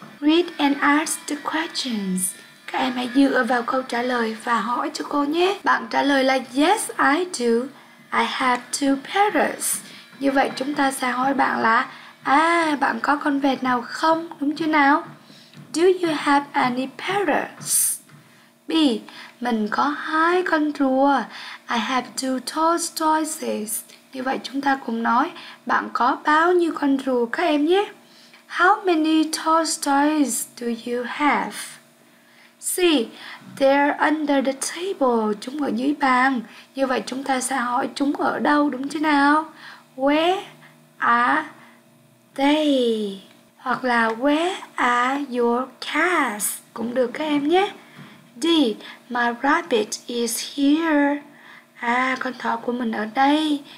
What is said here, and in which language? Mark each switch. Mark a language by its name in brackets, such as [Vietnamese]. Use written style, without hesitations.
[English] Read and ask the questions. [Vietnamese] Các em hãy dựa vào câu trả lời và hỏi cho cô nhé. Bạn trả lời là [English] yes, I do. I have 2 parrots. [Vietnamese] Như vậy chúng ta sẽ hỏi bạn là bạn có con vẹt nào không? Đúng chưa nào? [English] Do you have any parrots? B. [Vietnamese] Mình có 2 con rùa. [English] I have 2 tortoises. [Vietnamese] Như vậy chúng ta cùng nói bạn có bao nhiêu con rùa các em nhé. [English] How many tortoises do you have? C. They're under the table. [Vietnamese] Chúng ở dưới bàn. Như vậy chúng ta sẽ hỏi chúng ở đâu đúng chứ nào? [English] Where are they? [Vietnamese] Hoặc là [English] where are your cats? [Vietnamese] Cũng được các em nhé. D. [English] My rabbit is here. [Vietnamese] Con thỏ của mình ở đây.